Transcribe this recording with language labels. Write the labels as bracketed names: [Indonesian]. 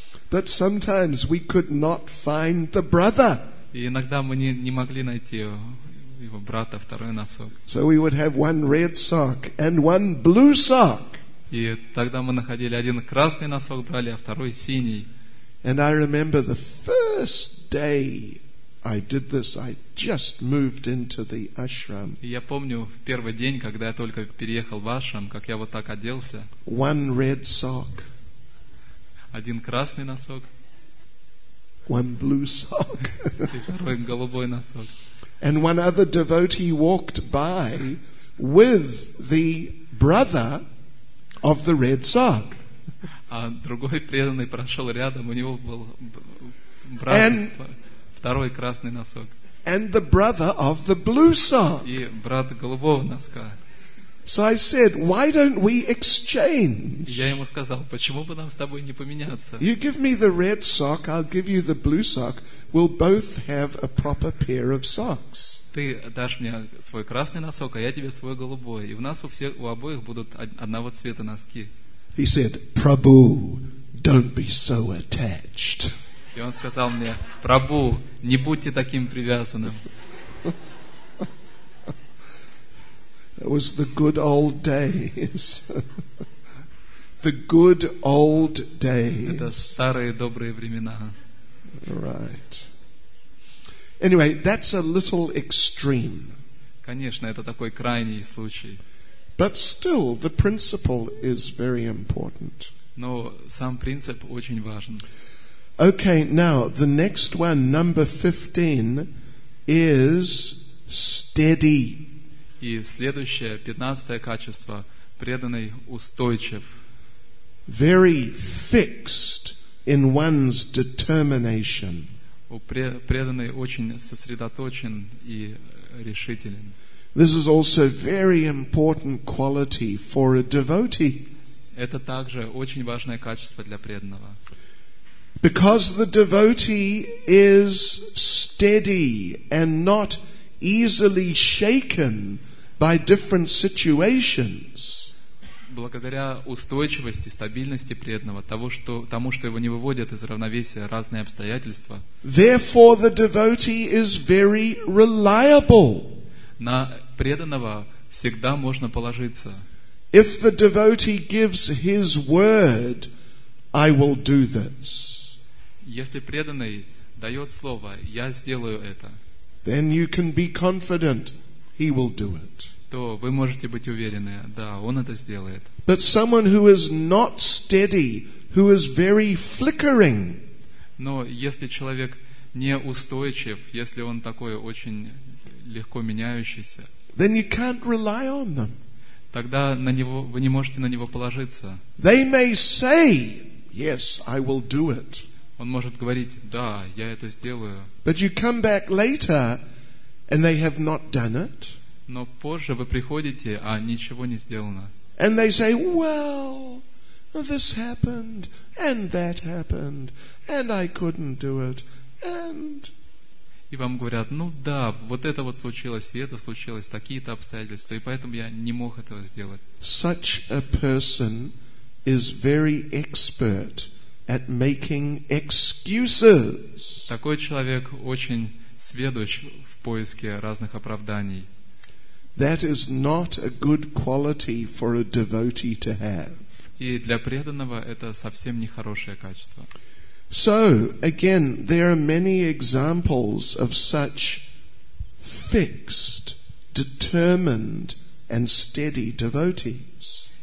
[English] But sometimes we could not find the brother. [Russian] И иногда мы не могли найти его брата, второй носок. [English] So we would have one red sock and one blue sock. [Russian] И тогда мы находили один красный носок, брали, а второй синий. [English] And I remember the first day I did this, I just moved into the ashram. [Russian] Я помню, в первый день, когда я только переехал в ашрам, как я вот так оделся. [English] One red sock. [Russian] Один красный носок. [English] One blue sock. [Russian] И второй голубой носок. [English] And one other devotee walked by with the brother of the red sock. [Russian] А другой преданный прошел рядом, у него был брат. Второй красный носок. [English] And the brother of the blue sock. [Russian] И брат голубого носка. [English] So I said, why don't we exchange? [Russian] Я ему сказал, почему бы нам с тобой не поменяться? [English] You give me the red sock, I'll give you the blue sock. We'll both have a proper pair of socks. [Russian] Ты дашь мне свой красный носок, а я тебе свой голубой. И у нас у обоих будут одного цвета носки. [English] He said, Prabhu, don't be so attached. [Russian] И он сказал мне, Прабу, не будьте таким привязанным. [English] It was the good old days. The good old days. [Russian] Это старые добрые времена. [English] Right. Anyway, that's a little extreme. [Russian] Конечно, это такой крайний случай. [English] But still, the principle is very important. [Russian] Но сам принцип очень важен. [English] Okay, now the next one, number 15, is steady. [Russian] И следующее, 15-е качество, преданный устойчив. [English] Very fixed in one's determination. [Russian] Преданный очень сосредоточен и решителен. [English] This is also very important quality for a devotee. [Russian] Это также очень важное качество для преданного. [English] Because the devotee is steady and not easily shaken by different situations. [Russian] Благодаря устойчивости, стабильности преданного, тому, что его не выводят из равновесия разные обстоятельства. [English] Therefore, the devotee is very reliable. [Russian] На преданного всегда можно положиться. [English] If the devotee gives his word, I will do this. [Russian] Если преданный дает слово, я сделаю это. [English] Then you can be confident he will do it. [Russian] То вы можете быть уверены, да, он это сделает. [English] But someone who is not steady, who is very flickering. [Russian] Но если человек не устойчив, если он такой очень легко меняющийся. [English] Then you can't rely on them. [Russian] Тогда на него вы не можете на него положиться. [English] They may say, yes, I will do it. [Russian] Он может говорить, да, я это сделаю. [English] But you come back later, and they have not done it. [Russian] Но позже вы приходите, а ничего не сделано. [English] And they say, well, this happened, and that happened, and I couldn't do it, and... [Russian] И вам говорят, ну да, вот это вот случилось, и это случилось, такие-то обстоятельства, и поэтому я не мог этого сделать. [English] Such a person is very expert at making excuses. [Russian] Такой человек очень сведущ в поиске разных оправданий. [English] That is not a good quality for a devotee to have. [Russian] И для преданного это совсем нехорошее качество. [English] So, again, there are many examples of such fixed, determined, and steady devotees.